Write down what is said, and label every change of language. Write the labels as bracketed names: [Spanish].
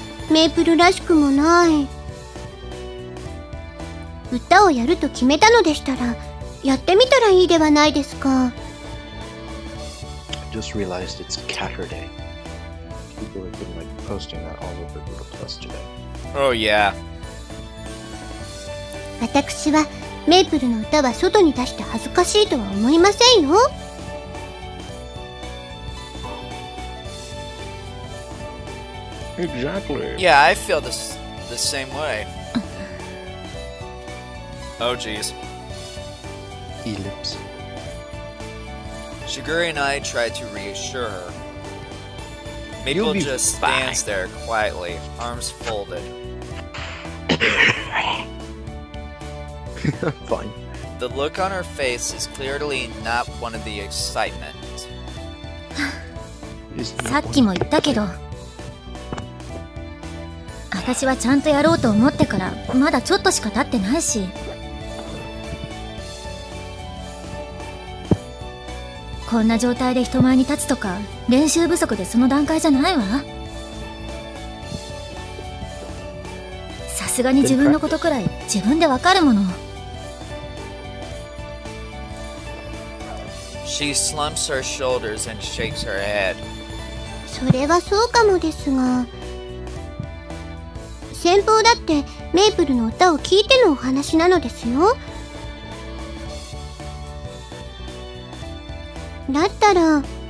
[Japanese] メープルらしくもない。歌をやると決めたのでしたら、やってみたらいいではないですか。 [English] I just realized it's Caturday. People have been like posting that all over Google Plus today. Oh yeah. [Japanese] 私はメイプルの歌は外に出して恥ずかしいとは思いませんよ。 [English] Exactly. Yeah, I feel the same way. Oh geez. Elips. Shiguri and I tried to reassure her. Maple You'll be just fine. Stands there quietly, arms folded. Fine. The look on her face is clearly not one of the excitement. [Japanese] さっきも言ったけど、私はちゃんとやろうと思ってからまだちょっとしか経ってないし、こんな状態で人前に立つとか練習不足でその段階じゃないわ。さすがに自分のことくらい自分でわかるもの。 [English] She slumps her shoulders and shakes her head. [Japanese] それはそうかもですが、先方だってメイプルの歌を聞いてのお話なのですよ。だったら、